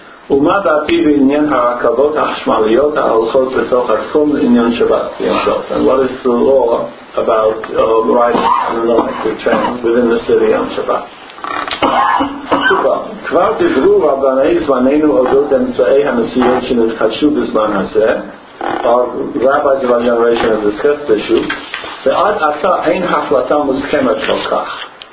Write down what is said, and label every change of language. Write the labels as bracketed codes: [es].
[he] ומה דעתי בעניין הרכבות החשמליות ההולכות בתוך התחום לעניין שבת? [en] And what is the law about riding on electric trains within the city on Shabbat? [he] כבר דיברו רבני זמננו אודות אמצעי הנסיעות שנתחדשו בזמן הזה. [en] Our rabbis of our generation have discussed this issue. [he] ועד עתה אין החלטה מוסכמת כל כך.